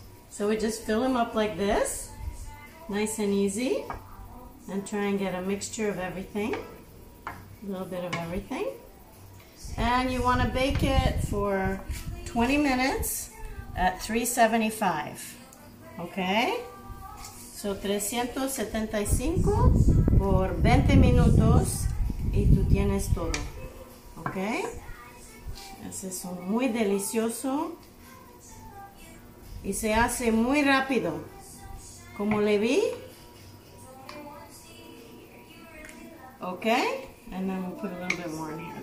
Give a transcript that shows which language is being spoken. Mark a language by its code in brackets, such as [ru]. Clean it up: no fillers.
[en] So we just fill them up like this, nice and easy, and try and get a mixture of everything, a little bit of everything. And you want to bake it for 20 minutes at 375, okay? [es] So 375 por 20 minutos y tú tienes todo, okay? Es eso, muy delicioso y se hace muy rápido, como le vi. [en] Okay, and then we'll put a little bit more in here.